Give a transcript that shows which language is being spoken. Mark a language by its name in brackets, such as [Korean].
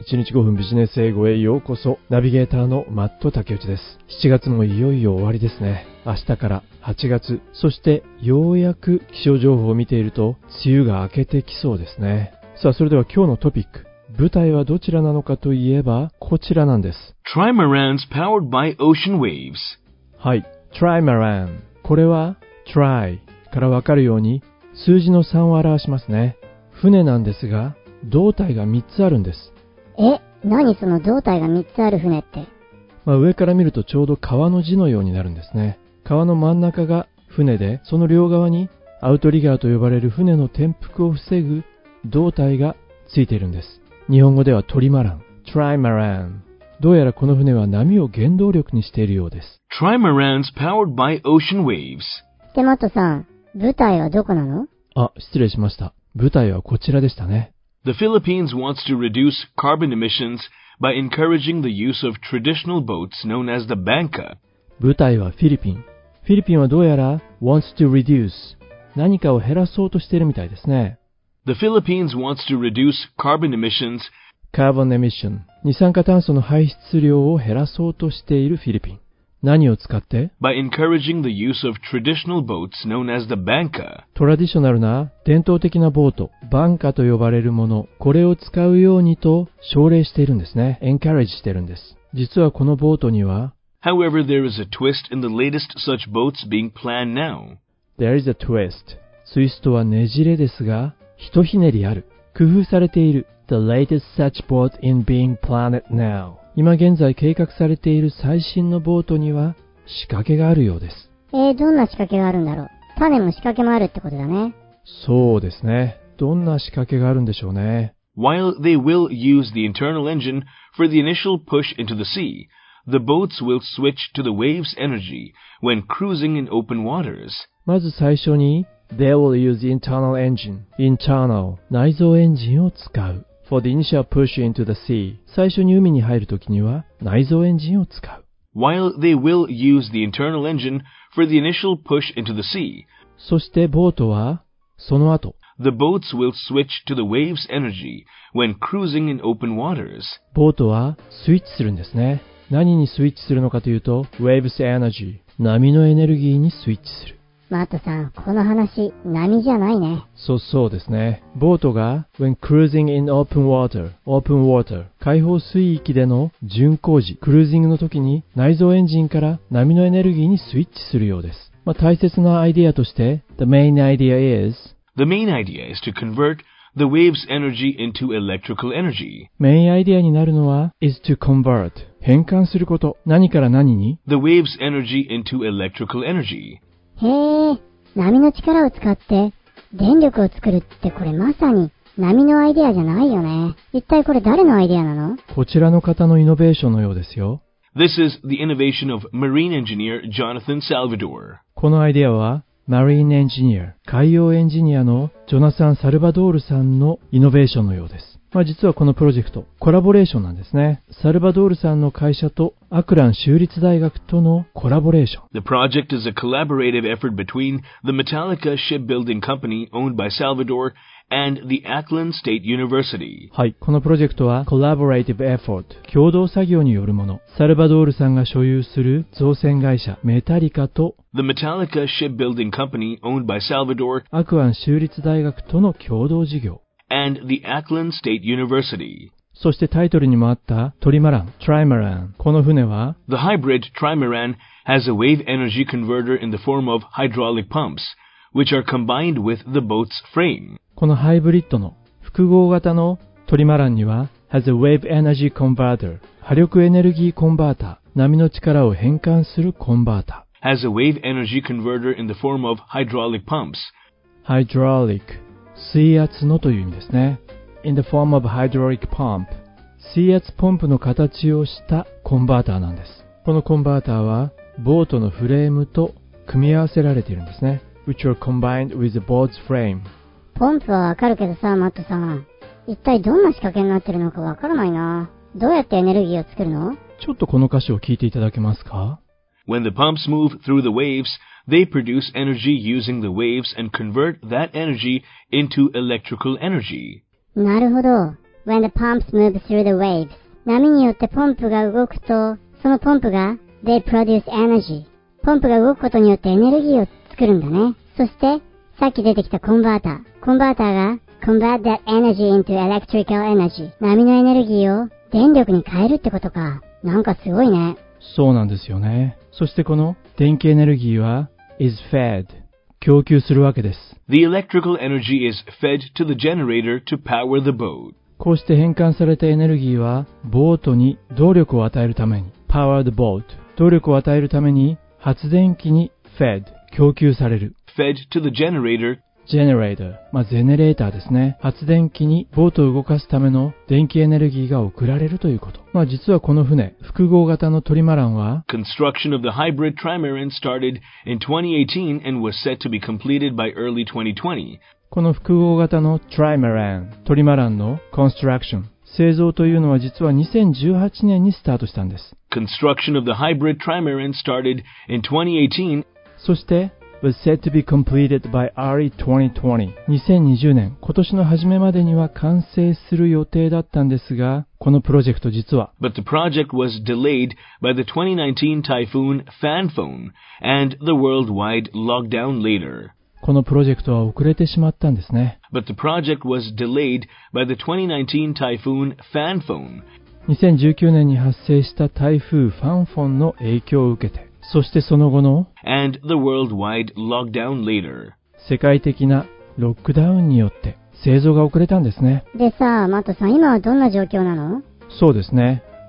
[Japanese] 1日5分ビジネス英語へようこそ。ナビゲーターのマット竹内です。 7月もいよいよ終わりですね。明日から8月。そして、ようやく気象情報を見ていると、梅雨が明けてきそうですね。さあ、それでは今日のトピック。舞台はどちらなのかといえば、こちらなんです。 [English] Trimarans powered by ocean waves。 [Japanese] はい。Trimaran。これは、try からわかるように、数字の3を表しますね。船なんですが、胴体が3つあるんです。え、何その胴体が3つある船って。まあ、上から見るとちょうど川の字のようになるんですね。川の真ん中が船で、その両側にアウトリガーと呼ばれる船の転覆を防ぐ胴体がついているんです。日本語ではトリマラン、トライマラン。どうやらこの船は波を原動力にしているようです。 [English] トライマランズ powered by ocean waves。 [Japanese] でマットさん、舞台はどこなの。あ、失礼しました。舞台はこちらでしたね。 [English] The Philippines wants to reduce carbon emissions by encouraging the use of traditional boats known as the Bangka. [Japanese] 舞台はフィリピン。フィリピンはどうやら [English] wants to reduce [Japanese] 何かを減らそうとしているみたいですね。 [English] The Philippines wants to reduce carbon emissions. [Japanese] Carbon emission 二酸化炭素の排出量を減らそうとしているフィリピン。何を使って [English] By encouraging the use of traditional boats known as the Bangka. [Japanese] トラディショナルな伝統的なボート、バンカと呼ばれるもの、これを使うようにと奨励しているんですね。 Encourage しているんです。実はこのボートには [English] However, there is a twist in the latest such boats being planned now. There is a twist. [Japanese] ツイストはねじれですが、ひとひねりある。工夫されている [English] The latest such boat in being planned now. [Japanese] 今現在計画されている最新のボートには仕掛けがあるようです。どんな仕掛けがあるんだろう。種も仕掛けもあるってことだね。そうですね。どんな仕掛けがあるんでしょうね。 [English] While they will use the internal engine for the initial push into the sea, the boats will switch to the waves energy when cruising in open waters. [Japanese] まず最初に、 [English] they will use the internal engine. [Japanese] Internal, 内蔵エンジンを使う。 [English] For the initial push into the sea, [Japanese] 最初に海に入るときには内蔵エンジンを使う。 [English] While they will use the internal engine for the initial push into the sea. [Japanese] そしてボートはその後。 [English] The boats will switch to the waves energy when cruising in open waters. [Japanese] ボートはスイッチするんですね。何にスイッチするのかというと、waves energy、波のエネルギーにスイッチする。マートさん、この話、波じゃないね。そうですね。ボートが、 [English] when cruising in open water, [Japanese] open water, 開放水域での巡航時、クルージングの時に内蔵エンジンから波のエネルギーにスイッチするようです。まあ、大切なアイデアとして、 [English] the main idea is, the main idea is to convert the wave's energy into electrical energy. [Japanese] メインアイデアになるのは、 [English] is to convert, [Japanese] 変換すること、何から何に、 [English] the wave's energy into electrical energy. [Japanese] へえ、波の力を使って電力を作るってこれまさに波のアイデアじゃないよね。一体これ誰のアイデアなの？こちらの方のイノベーションのようですよ。 [English] This is the innovation of marine engineer Jonathan Salvador. [Japanese] このアイデアは marine engineer 海洋エンジニアのジョナサン・サルバドールさんのイノベーションのようです。まあ実はこのプロジェクト、コラボレーションなんですね。サルバドールさんの会社とアクラン州立大学とのコラボレーション。 [English] The project is a collaborative effort between the Metallica Shipbuilding Company owned by Salvador and the Acklan State University. [Japanese] はい、このプロジェクトは collaborative effort、共同作業によるもの。サルバドールさんが所有する造船会社メタリカと [English] The Metallica Shipbuilding Company owned by Salvador [Japanese] アクラン州立大学との共同事業。 [English] And the Acklan State University. [Japanese] そしてタイトルにもあったトリマラン、トライマラン。この船は [English] The hybrid trimaran has a wave energy converter in the form of hydraulic pumps, which are combined with the boat's frame. [Japanese] このハイブリッドの複合型のトリマランには [English] has a wave energy converter, [Japanese] 波力エネルギーコンバータ、波の力を変換するコンバータ。 [English] Has a wave energy converter in the form of hydraulic pumps. Hydraulic. [Japanese] 水圧のという意味ですね。 [English] In the form of hydraulic pump. [Japanese] 水圧ポンプの形をしたコンバーターなんです。このコンバーターはボートのフレームと組み合わせられているんですね。 [English] Which are combined with the boat's frame. [Japanese] ポンプはわかるけどさ、マットさん。一体どんな仕掛けになってるのかわからないな。どうやってエネルギーを作るの？ちょっとこの歌詞を聞いていただけますか？ [English] When the pumps move through the waves, They produce energy using the waves and convert that energy into electrical energy. [Japanese] なるほど。 [English] When the pumps move through the waves, [Japanese] 波によってポンプが動くと、そのポンプが、 [English] they produce energy. [Japanese] ポンプが動くことによってエネルギーを作るんだね。そして、さっき出てきたコンバーター。コンバーターが、 [English] convert that energy into electrical energy. [Japanese] 波のエネルギーを電力に変えるってことか。なんかすごいね。そうなんですよね。そしてこの電気エネルギーは [English] is fed [Japanese] 供給するわけです。 [English] The electrical energy is fed to the generator to power the boat. [Japanese] こうして変換されたエネルギーはボートに動力を与えるために [English] power the boat [Japanese] 動力を与えるために発電機に fed 供給される。 [English] Fed to the generator [Japanese] generator まあゼネレーターですね。発電機にボートを動かすための電気エネルギーが送られるということ。まあ実はこの船、複合型のトリマランは [English] Construction of the hybrid trimaran started in 2018 and was set to be completed by early 2020. [Japanese] この複合型のトリマラン、トリマランの Construction 製造というのは実は2018年にスタートしたんです。 [English] Construction of the hybrid trimaran started in 2018. [Japanese] そして [English] was said to be completed by early 2020. [Japanese] 2020年、今年の初めまでには完成する予定だったんですが、このプロジェクト実は、 [English] But the project was delayed by the 2019 typhoon Fanfone and the worldwide lockdown later. [Japanese] このプロジェクトは遅れてしまったんですね。 [English] But the project was delayed by the 2019 typhoon Fanfone. [Japanese] 2019年に発生した台風ファンフォンの影響を受けて、そしてその後の [English] And the worldwide lockdown later. [Japanese] 世界的なロックダウンによって製造が遅れたんですね。でさあ、マットさん、今はどんな状況なの？そうですね。